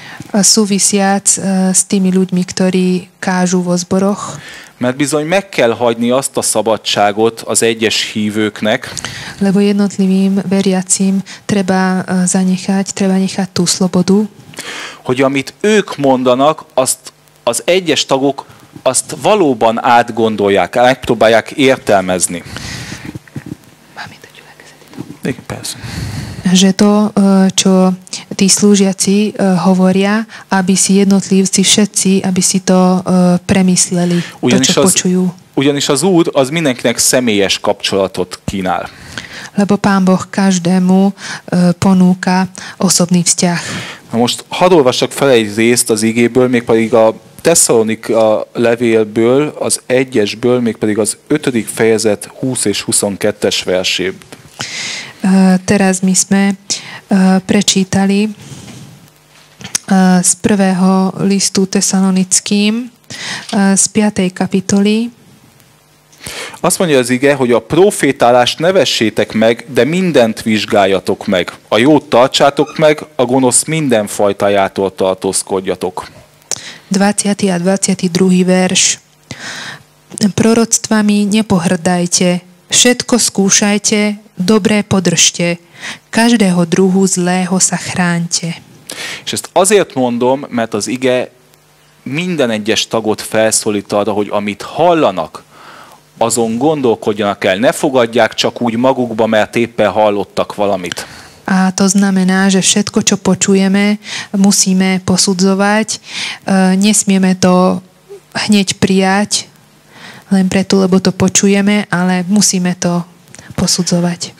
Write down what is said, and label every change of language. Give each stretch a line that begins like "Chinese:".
Slovak: A súvisiac s tými ľuďmi, ktorí kážu vo zboroch.
Hungarian: Mert bizony meg kell hagyni azt a szabadságot az egyes hívőknek.
Slovak: Lebo jednotlivým veriacím treba zanechať, treba nechať tú slobodu.
Hungarian: Hogy amit ők mondanak, azt az egyes tagok azt valóban átgondolják, megpróbálják értelmezni. Mármint a gyülekezeti tagok. Igen, persze.
Slovak: Že to, čo tí slúžiaci hovoria, aby si jednotlivci všetci, aby si to premysleli, ugyanis to, čo počujú.
Hungarian: Ugyanis az Úr az mindenkinek személyes kapcsolatot kínál.
Slovak: Lebo Pán Boh každému ponúka osobný vzťah.
Hungarian: Na most hadd olvassak fel egy részt az igéből, mégpedig a Tesszalonika levélből, az 1-esből, mégpedig az 5. fejezet 20 és 22-es verséből.
Slovak: Teraz my sme prečítali z prvého listu tesalonickým z 5. kapitoly.
Hungarian: Azt mondja az ige, hogy a profétálást ne vessétek meg, de mindent vizsgáljatok meg. A jót tartsátok meg, a gonosz minden fajtájától tartózkodjatok.
Slovak: 20. a 22. verš. Proroctvami nepohrdajte, všetko skúšajte, dobré podržte, každého druhu zlého sa chráňte.
Hungarian: És ezt azért mondom, mert az ige minden egyes tagot felszólít arra, hogy amit hallanak, azon gondolkodjanak el, ne fogadják csak úgy magukba, mert éppen hallottak valamit.
Slovak: A to znamená, že všetko, čo počujeme, musíme posudzovať, nesmieme to hneď prijať, len preto, lebo to počujeme, ale musíme to posudzovať.